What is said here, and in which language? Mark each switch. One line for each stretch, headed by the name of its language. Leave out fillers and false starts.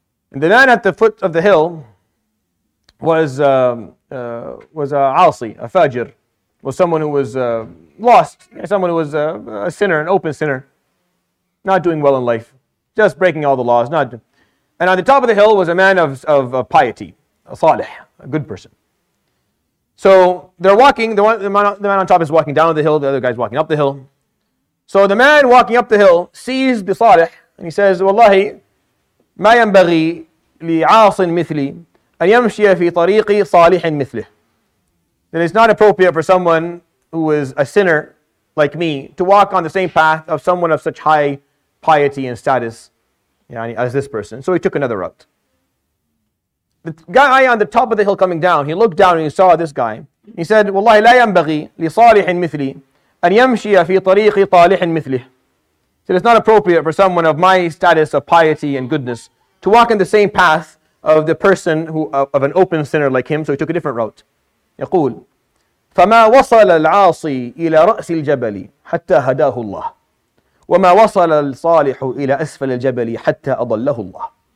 English: And the man at the foot of the hill was a Asi, a Fajr, was someone who was lost, someone who was a sinner, an open sinner, not doing well in life, just breaking all the laws. And on the top of the hill was a man of piety, a Salih, a good person. So they're walking, the man on top is walking down the hill, the other guy's walking up the hill. So the man walking up the hill sees the Salih, and he says, Wallahi,
Arabic: ما ينبغي لعاص مثلي أن يمشي في طريق صالح مثله.
English: It is not appropriate for someone who is a sinner like me to walk on the same path of someone of such high piety and status يعني, as this person. So he took another route. The guy on the top of the hill coming down, he looked down and he saw this guy. He said,
Arabic: وَاللَّهِ لَا يَنْبَغِي لِصَالِحٍ مِثْلِي أَنْ يَمْشِيَ فِي طَرِيقِ طَالِحٍ مِثْلِهِ.
English: He said, it's not appropriate for someone of my status of piety and goodness to walk in the same path of the person who of an open sinner like him. So he took a different route.
Arabic: يقول, فَمَا وَصَلَ الْعَاصِي إِلَى رَأْسِ الْجَبَلِ حَتَّى هَدَاهُ اللَّهِ وَمَا وَصَلَ الْصَالِحُ إِلَى أَسْفَلِ الْجَبَلِ حَتَّى أَضَلَّهُ اللَّهِ.